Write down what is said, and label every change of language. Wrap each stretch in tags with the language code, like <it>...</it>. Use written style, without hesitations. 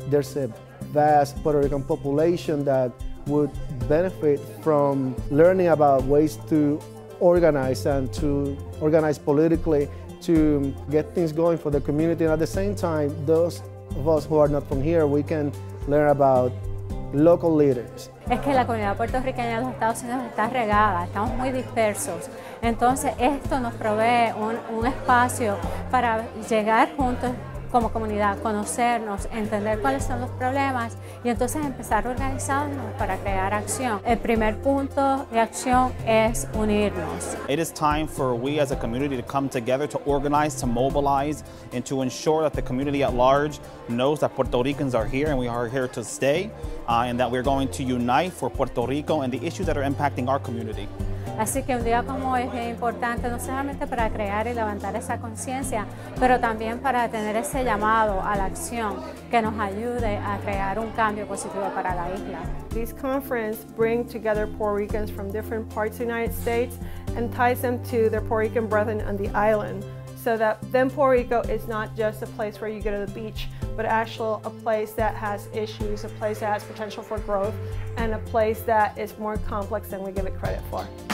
<en>There's a vast Puerto Rican population that would benefit from learning about ways to organize and to organize politically to get things going for the community. And at the same time, those of us who are not from here, we can learn about local leaders.</en> <es>Es que la comunidad puertorriqueña de los Estados Unidos está regada, estamos muy dispersos. Entonces esto nos provee un espacio para llegar juntos como comunidad, conocernos, entender cuáles son los problemas y entonces empezar a organizarnos para crear acción. El primer punto de acción es unirnos.</es> <en>It is time for we as a community to come together, to organize, to mobilize, and to ensure that the community at large knows that Puerto Ricans are here and we are here to stay, and that we're going to unite for Puerto Rico and the issues that are impacting our community.</en> <es>Así que un día como hoy es importante no solamente para crear y levantar esa conciencia, pero también para tener ese llamado a la acción que nos ayude a crear un cambio positivo para la isla.</es> <en>This conference brings together Puerto Ricans from different parts of the United States and ties them to their Puerto Rican brethren on the island, so that then Puerto Rico is not just a place where you go to the beach, but actually a place that has issues, a place that has potential for growth, and a place that is more complex than we give it credit for.</en>